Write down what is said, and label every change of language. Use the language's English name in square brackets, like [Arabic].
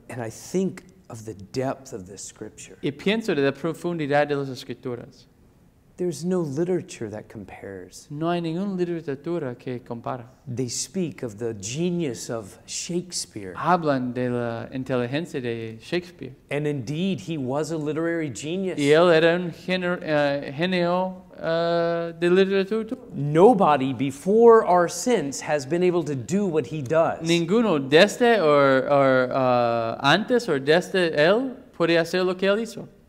[English] And I think of the depth of the Scripture. [Spanish] Y pienso de la profundidad de las Escrituras. [English] There's no literature that compares. [Spanish] No hay ninguna literatura que compara. [English] They speak of the genius of Shakespeare. [Spanish] Hablan de la inteligencia de Shakespeare. [English] And indeed, he was a literary genius. [Spanish] Y él era un genio de literatura. [English] Nobody before or since has been able to do what he does. [Spanish] Ninguno desde o antes o desde él puede hacer lo que él hizo.